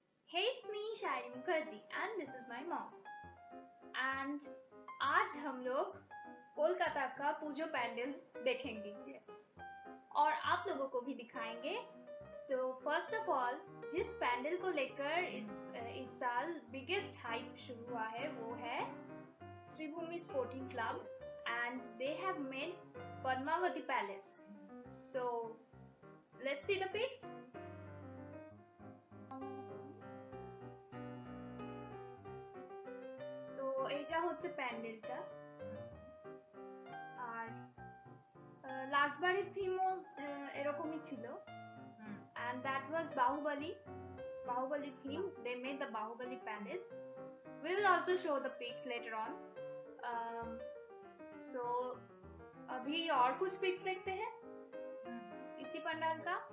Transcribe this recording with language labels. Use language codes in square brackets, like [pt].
[en] Hey, it's me, Shari Mukherjee, and this is my mom. [hi] And आज हम लोग कोलकाता का पूजा पैंडल देखेंगे. [en] Yes. [hi] और आप लोगों को भी दिखाएंगे. तो [en] first of all, [hi] जिस पैंडल को लेकर इस साल [en] biggest hype [hi] शुरू हुआ है, वो है Sreebhumi Sporting Club, [en] and they have made Padmavati Palace. So, let's see the pics. So, [bn] এটা হচ্ছে প্যান্ডেলটা. আর last বারের theme এরকমই ছিল. [en] And that was Bahubali. Bahubali theme. They made the Bahubali Palace. We will also show the pics later on. So, [hi] अभी और कुछ pics देखते हैं इसी पंडाल का.